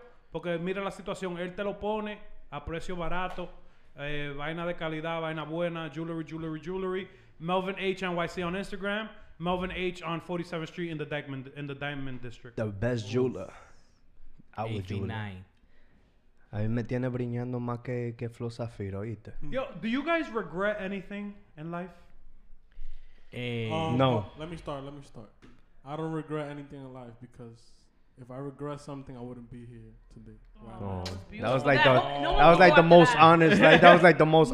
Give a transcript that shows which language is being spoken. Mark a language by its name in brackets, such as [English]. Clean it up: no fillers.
[Spanish] Porque mira la situación, él te lo pone a precio barato. Vaina de calidad, vaina buena, jewelry. [English] Melvin H NYC on Instagram, Melvin H on 47th Street in the Diamond District. The best jeweler. I would jeweler. [Spanish] A mí me tiene brillando más que Flor Zafiro, oíste. [English] Yo, do you guys regret anything in life? No. Let me start. I don't regret anything in life because if I regret something, I wouldn't be here today. That was like the most honest answer.